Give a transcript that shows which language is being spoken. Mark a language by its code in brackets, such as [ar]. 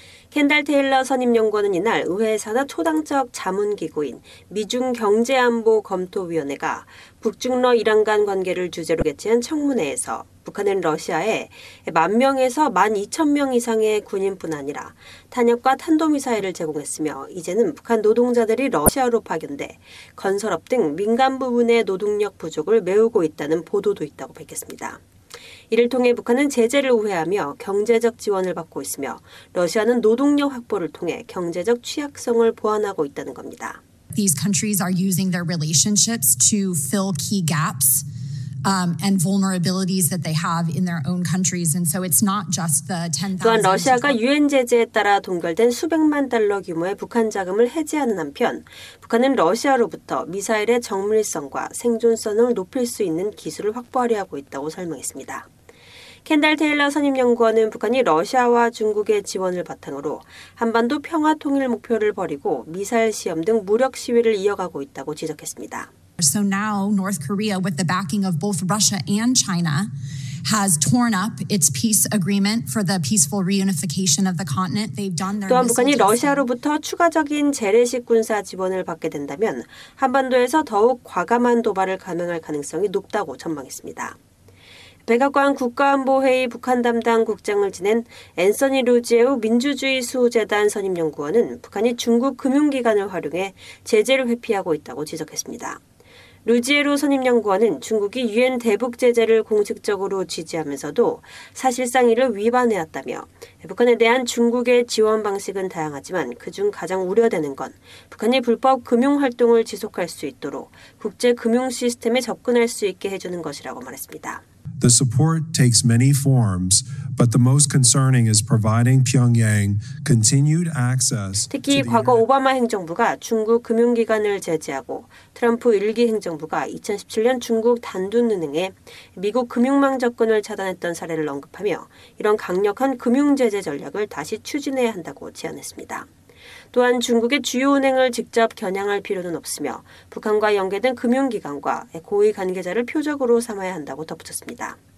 [ko] 켄달 테일러 선임연구원은 이날 의회 산하 초당적 자문기구인 미중경제안보검토위원회가 북중러 이란 간 관계를 주제로 개최한 청문회에서 북한은 러시아에 1만 명에서 1만 2천 명 이상의 군인뿐 아니라 탄약과 탄도미사일을 제공했으며 이제는 북한 노동자들이 러시아로 파견돼 건설업 등 민간 부분의 노동력 부족을 메우고 있다는 보도도 있다고 밝혔습니다. 이를 통해 북한은 제재를 우회하며 경제적 지원을 받고 있으며 러시아는 노동력 확보를 통해 경제적 취약성을 보완하고 있다는 겁니다. [en] These countries are using their relationships to fill key gaps. And vulnerabilities that they have in their own countries. And so it's not just the 10,000. [ko] 또한 러시아가 유엔 제재에 따라 동결된 수백만 달러 규모의 북한 자금을 해제하는 한편, 북한은 러시아로부터 미사일의 정밀성과 생존성을 높일 수 있는 기술을 확보하려 하고 있다고 설명했습니다. 켄달 테일러 선임연구원은 북한이 러시아와 중국의 지원을 바탕으로 한반도 평화 통일 목표를 버리고 미사일 시험 등 무력 시위를 이어가고 있다고 지적했습니다. [en] So now North Korea, with the backing of both Russia and China, has torn up its peace agreement for the peaceful reunification of the continent. They've done their. [ko] 또한 북한이 러시아로부터 추가적인 재래식 군사 지원을 받게 된다면 한반도에서 더욱 과감한 도발을 감행할 가능성이 높다고 전망했습니다. 백악관 국가안보회의 북한 담당 국장을 지낸 앤서니 루지에우 민주주의 수호재단 선임연구원은 북한이 중국 금융기관을 활용해 제재를 회피하고 있다고 지적했습니다. 루지에로 선임연구원은 중국이 유엔 대북 제재를 공식적으로 지지하면서도 사실상 이를 위반해왔다며 북한에 대한 중국의 지원 방식은 다양하지만 그중 가장 우려되는 건 북한이 불법 금융활동을 지속할 수 있도록 국제 금융 시스템에 접근할 수 있게 해주는 것이라고 말했습니다. [en] The support takes many forms, but the most concerning is providing Pyongyang continued access. [ko] 특히 과거 오바마 행정부가 중국 금융기관을 제재하고 트럼프 1기 행정부가 2017년 중국 단둔은행에 미국 금융망 접근을 차단했던 사례를 언급하며 이런 강력한 금융 제재 전략을 다시 추진해야 한다고 제안했습니다. 또한 중국의 주요 은행을 직접 겨냥할 필요는 없으며 북한과 연계된 금융기관과 고위 관계자를 표적으로 삼아야 한다고 덧붙였습니다.